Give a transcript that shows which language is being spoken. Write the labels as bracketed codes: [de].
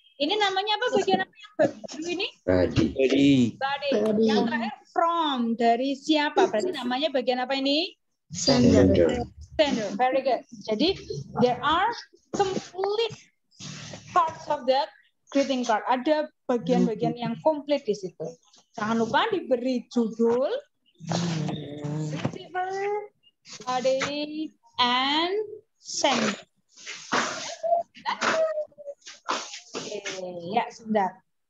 [id] Ini namanya apa bagian apa yang baru ini? [en] Body. [id] Yang terakhir from dari siapa? Berarti namanya bagian apa ini? [en] Sender. Very good. [id] Jadi [en] there are complete parts of that greeting card. [id] Ada bagian-bagian yang komplit di situ. Jangan lupa diberi judul, [en] receiver, body, and send. [id] Okay. Ya, sebentar.